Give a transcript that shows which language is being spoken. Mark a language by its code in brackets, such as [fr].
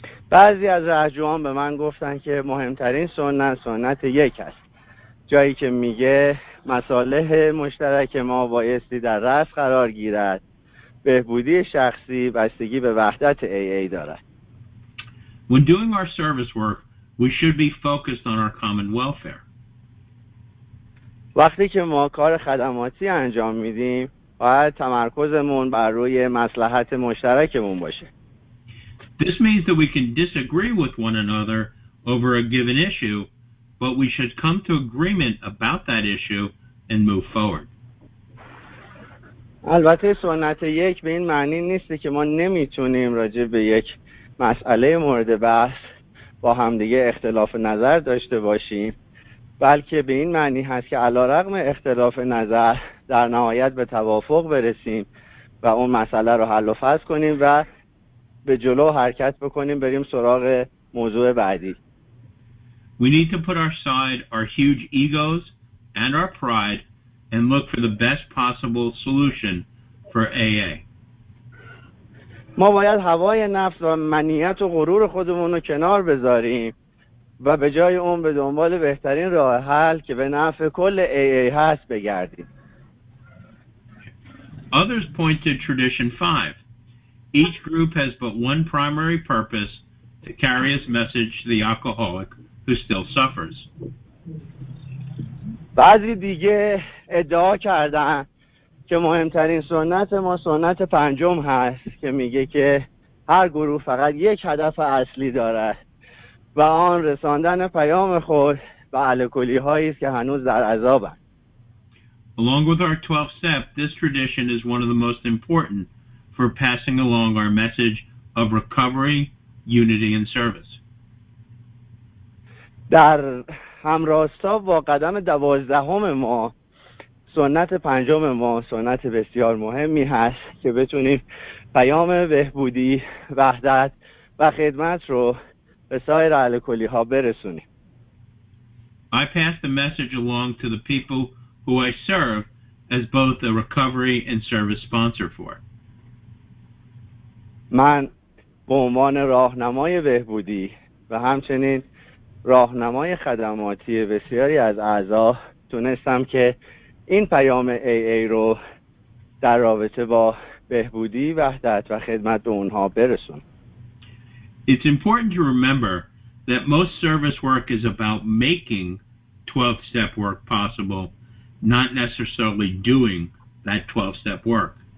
[fa] بعضی از رهجوان به من گفتن که مهمترین سنت سنت یک است. جایی که میگه مصالح مشترک ما بایستی در رأس قرار گیرد، بهبودی شخصی بستگی به وحدت AA دارد. [en] When doing our service work, we should be focused on our common welfare. [fa] وقتی که ما کار خدماتی انجام میدیم، باید تمرکزمون بر روی مصلحت مشترکمون باشه. [en] This means that we can disagree with one another over a given issue, but we should come to agreement about that issue and move forward. [fa] البته سنت یک به این معنی نیست که ما نمیتونیم راجع به یک مسئله مورد بحث با همدیگه اختلاف نظر داشته باشیم، بلکه به این معنی هست که علارغم اختلاف نظر در نهایت به توافق برسیم و اون مسئله رو حل و فصل کنیم و به جلو حرکت بکنیم بریم سراغ موضوع بعدی. [en] We need to put aside our huge egos and our pride and look for the best possible solution for AA. [fa] ما باید هوای نفس و منیت و غرور خودمون رو کنار بذاریم و به جای اون به دنبال بهترین راه حل که به نفع کل AA هست بگردیم. [en] Others point to tradition 5. Each group has but one primary purpose to carry its message to the alcoholic who still suffers. [fa] بعضی دیگه ادعا کردن که مهمترین سنت ما سنت پنجم هست که میگه که هر گروه فقط یک هدف اصلی داره و آن رساندن پیام خود به الکلی هایی است که هنوز در عذابند. [en] Along with our 12th step, this tradition is one of the most important for passing along our message of recovery, unity, and service. [fa] در همراستا با قدم 12 ما، سنت 5 ما سنت بسیار مهمی هست که بتونیم پیام بهبودی، وحدت و خدمت رو به سایر اهل کلی ها برسونیم. [en] I pass the message along to the people who I serve as both a recovery and service sponsor for. [fa] من به عنوان راهنمای بهبودی و همچنین راهنمای خدماتی بسیاری از اعضا تونستم که این پیام AA رو در رابطه با بهبودی، وحدت و خدمت به اونها برسونم. [en] It's important to remember that most service work is about making 12-step work possible, not necessarily doing that 12-step work.